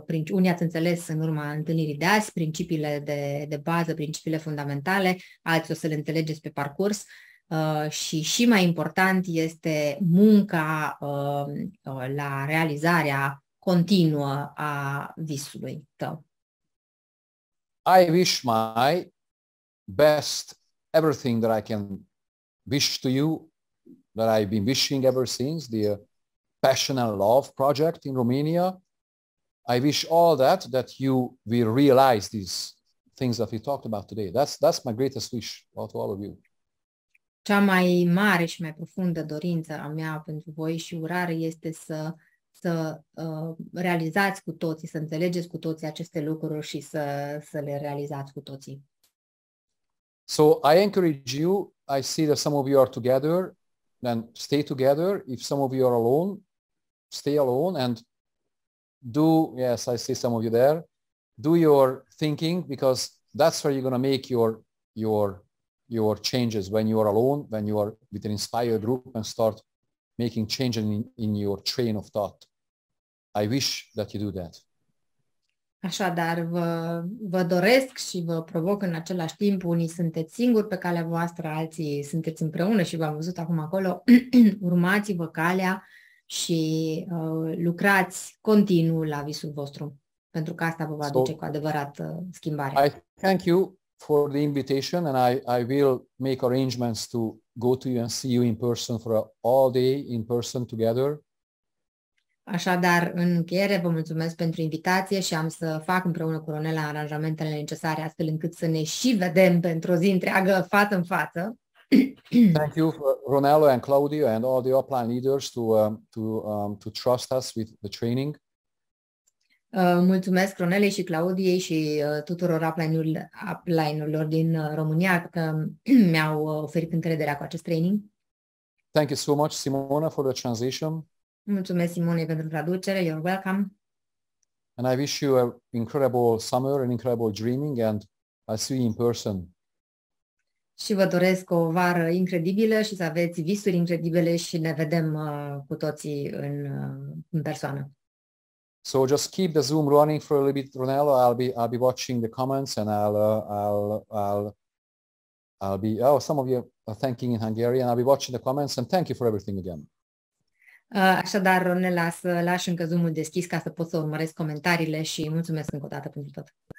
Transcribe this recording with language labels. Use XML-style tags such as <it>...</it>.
<ro>unii ați înțeles în urma întâlnirii de azi principiile de bază, principiile fundamentale, alții o să le înțelegeți pe parcurs și mai important este munca la realizarea continuă a visului tău.</ro> <en>I wish my best everything that I can wish to you, that I've been wishing ever since, the Passion and Love project in Romania. I wish all that you will realize these things that we talked about today. That's my greatest wish out of all of you.</en> <ro>Cea mai mare și mai profundă dorință a mea pentru voi și urare este să realizați cu toții, să înțelegeți cu toții aceste lucruri și să le realizați cu toții.</ro> <en>So I encourage you, I see that some of you are together, then stay together. If some of you are alone, stay alone and do your thinking, because that's where you're going to make your changes when you are alone, when you are with an inspired group and start making changes in your train of thought. I wish that you do that.</en> <ro>Așadar, vă doresc și vă provoc în același timp, unii sunteți singuri pe calea voastră, alții sunteți împreună și v-am văzut acum acolo, urmați-vă calea și lucrați continuu la visul vostru. pentru că asta vă va duce cu adevărat schimbare.</ro> <en>I thank you for the invitation and I will make arrangements to go to you and see you in person for all day in person together.</en> <ro>Așadar, în încheiere, vă mulțumesc pentru invitație și am să fac împreună cu Ronela aranjamentele necesare astfel încât să ne și vedem pentru o zi întreagă față în față.</ro> <en>Thank you for Ronello and Claudio and all the upline leaders to trust us with the training.</en> <ro>Mulțumesc Ronelei și Claudiei și tuturor upline-urilor din România că mi-au oferit încrederea cu acest training.</ro> <en>Thank you so much Simona for the transition.</en> <ro>Mulțumesc Simone pentru traducere.</ro> <en>You're welcome. And I wish you an incredible summer, an incredible dreaming and I'll see you in person.</en> <ro>Și vă doresc o vară incredibilă și să aveți visuri incredibile și ne vedem cu toții în persoană.</ro> <en>So just keep the Zoom running for a little bit, Ronello. I'll be watching the comments and I'll be some of you are thanking in Hungarian. I'll be watching the comments and thank you for everything again.</en> <ro>Așadar, Ronella, să lași încă Zoom-ul deschis ca să pot să urmăresc comentariile și mulțumesc încă o dată pentru tot.</ro>